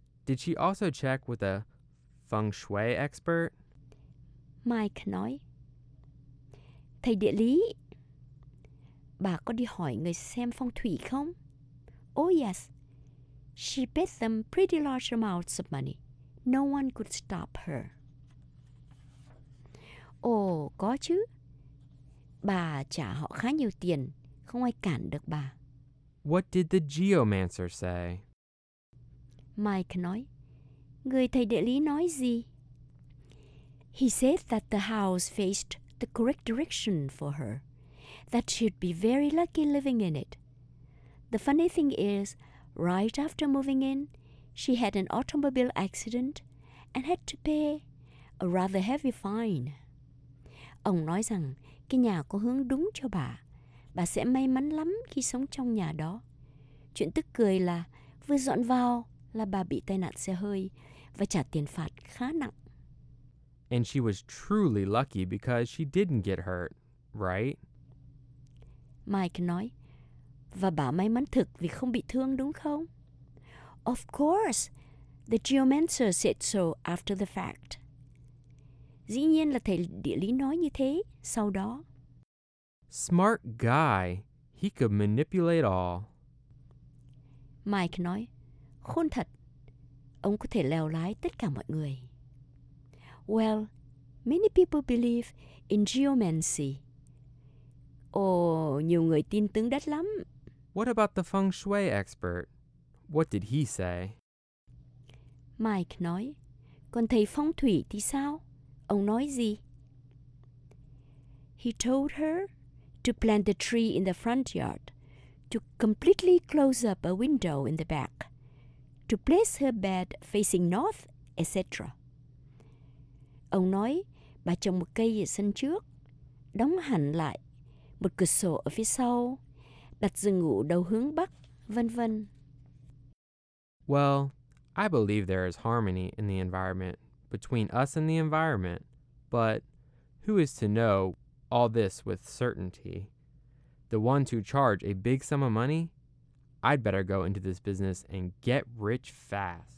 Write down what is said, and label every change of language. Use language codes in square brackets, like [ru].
[en] Did she also check with a feng shui expert? [vi] Mike nói, thầy địa lý, bà có đi hỏi người xem phong thủy không? [en] Oh yes, she paid them pretty large amounts of money. No one could stop her. [vi] Oh, có chứ. Bà trả họ khá nhiều tiền, không ai cản được bà. [en] What did the geomancer say? [vi] Mike nói, người thầy địa lý nói gì? [en] He said that the house faced the correct direction for her, that she'd be very lucky living in it. The funny thing is, right after moving in, she had an automobile accident and had to pay a rather heavy fine. [vi] Ông nói rằng cái nhà có hướng đúng cho bà. Bà sẽ may mắn lắm khi sống trong nhà đó. Chuyện tức cười là vừa dọn vào là bà bị tai nạn xe hơi và trả tiền phạt khá nặng. [en] And she was truly lucky because she didn't get hurt, right? [vi] Mike nói, và bà may mắn thực vì không bị thương đúng không? [en] Of course, the geomancer said so after the fact. [vi] Dĩ nhiên là thầy địa lý nói như thế sau đó. [en] Smart guy, he could manipulate all. [vi] Mike nói, khôn thật, ông có thể lèo lái tất cả mọi người. [en] Well, many people believe in geomancy. [vi] Oh, nhiều người tin tướng đất lắm. [en] What about the feng shui expert? What did he say? [vi] Mike nói, còn thầy phong thủy thì sao? Ông nói gì? [en] He told her to plant the tree in the front yard, to completely close up a window in the back, to place her bed facing north, etc. [vi] Ông nói, bà trồng một cây ở sân trước, đóng hẳn lại, một cửa sổ ở phía sau, đặt giường ngủ đầu hướng bắc, vân vân. [en] Well, I believe there is harmony in the environment, between us and the environment, but who is to know all this with certainty? The one to charge a big sum of money? I'd better go into this business and get rich fast.